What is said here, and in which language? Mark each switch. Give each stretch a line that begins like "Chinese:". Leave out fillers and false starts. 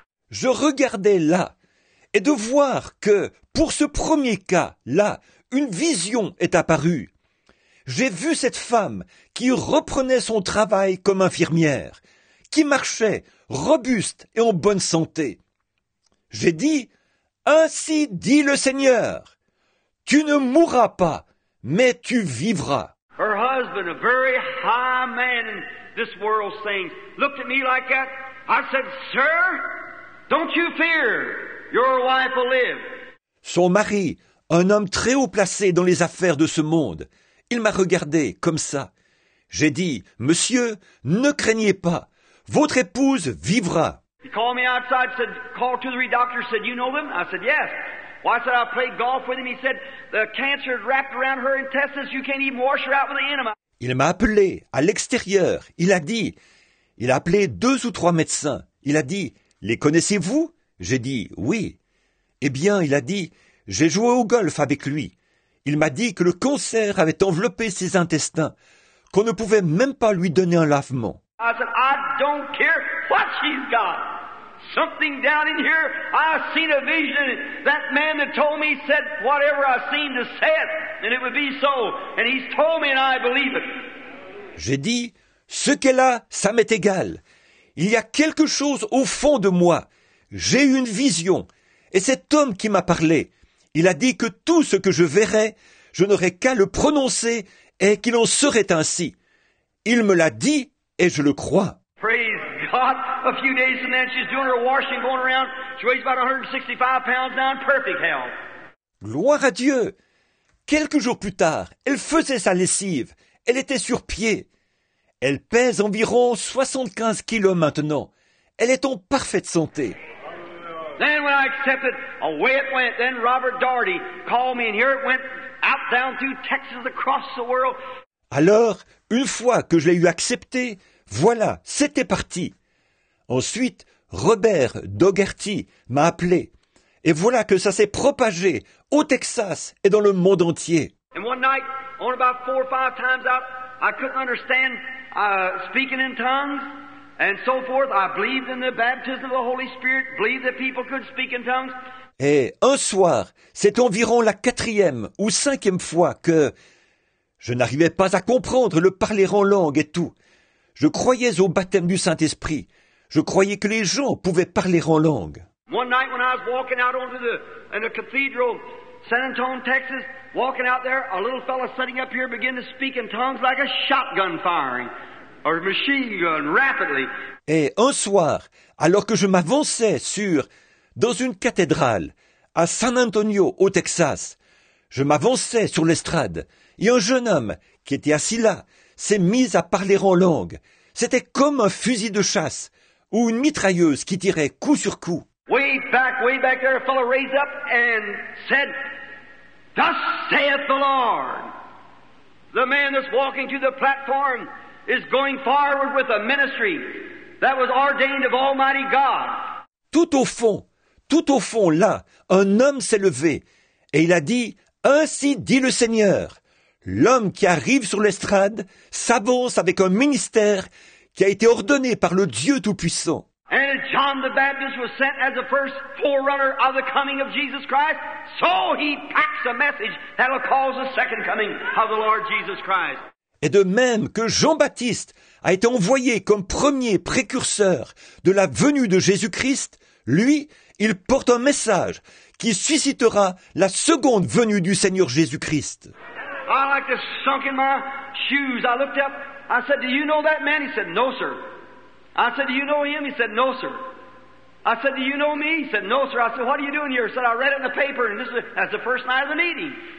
French: Je regardais là, et de voir que, pour ce premier cas, là, une vision est apparue. J'ai vu cette femme qui reprenait son travail comme infirmière, qui marchait robuste et en bonne santé. J'ai dit, ainsi dit le Seigneur, tu ne mourras pas, mais tu vivras.
English: Her husband, a very high man in this world, saying, looked at me like that. I said, sir, don't you fear, your wife will live.
French: Son mari, un homme très haut placé dans les affaires de ce monde, il m'a regardé comme ça. J'ai dit, monsieur, ne craignez pas, votre épouse vivra.
English: He called me outside, said, called two or three doctors, said, you know them? I said, yes. Well, I said, I played golf with him. He said, the cancer had wrapped around her intestines, you can't even wash her out with an enema.
French: Il m'a appelé à l'extérieur. Il a dit, il a appelé deux ou trois médecins. Il a dit, les connaissez-vous? J'ai dit, oui. Eh bien, il a dit, j'ai joué au golf avec lui. Il m'a dit que le cancer avait enveloppé ses intestins, qu'on ne pouvait même pas lui donner un lavement.
English: I said, I don't care what she's got. Something down in here, I seen a vision. That man that told me said whatever I seen to say it, and it would be so. And he's told me and I believe it.
French: J'ai dit, ce qu'elle a, ça m'est égal. Il y a quelque chose au fond de moi. J'ai eu une vision. Et cet homme qui m'a parlé, il a dit que tout ce que je verrais, je n'aurais qu'à le prononcer et qu'il en serait ainsi. Il me l'a dit. Et je le crois.
English: Praise God. A few days and then she's doing her washing, going around. She weighs about 165 pounds now in perfect health.
French: Gloire à Dieu. Quelques jours plus tard, elle faisait sa lessive. Elle était sur pied. Elle pèse environ 75 kilos maintenant. Elle est en parfaite santé.
English: Then when I accepted, away it went. Then Robert Daugherty called me and here it went out down through Texas across the world.
French: Alors, une fois que je l'ai eu accepté, voilà, c'était parti. Ensuite, Robert Daugherty m'a appelé. Et voilà que ça s'est propagé au Texas et dans le monde entier.
English: And one night, on about four or five times out, I couldn't understand speaking in tongues and so forth. I believed in the baptism of the Holy Spirit, believed that people could speak in tongues.
French: Et un soir, c'est environ la quatrième ou cinquième fois que je n'arrivais pas à comprendre le parler en langue et tout. Je croyais au baptême du Saint-Esprit. Je croyais que les gens pouvaient parler en langue.
English: One night when I was walking out onto the in the cathedral, San Antonio, Texas, walking out there, a little fellow sitting up here began to speak in tongues like a shotgun firing, or machine gun, rapidly.
French: Et un soir, alors que je m'avançais sur dans une cathédrale à San Antonio, au Texas, je m'avançais sur l'estrade. Et un jeune homme qui était assis là s'est mis à parler en langue. C'était comme un fusil de chasse ou une mitrailleuse qui tirait coup sur coup.
English: Way back there, a fellow raised up and said, Thus saith the Lord. The man that's walking to the platform is going forward with a ministry that was ordained of Almighty God.
French: Tout au fond là, un homme s'est levé et il a dit, Ainsi dit le Seigneur. L'homme qui arrive sur l'estrade s'avance avec un ministère qui a été ordonné par le Dieu Tout-Puissant.
English: And John the Baptist was sent as the first forerunner of the coming of Jesus Christ, so he packs a message that will cause the second coming of the Lord Jesus Christ.
French: Et de même que Jean-Baptiste a été envoyé comme premier précurseur de la venue de Jésus-Christ, lui, il porte un message qui suscitera la seconde venue du Seigneur Jésus-Christ.
English: I like to sunk in my shoes. I looked up. I said, do you know that man? He said, no, sir. I said, do you know him? He said, no, sir. I said, do you know me? He said, no, sir. I said, what are you doing here? He said, I read it in the paper, and this is the first night of the meeting.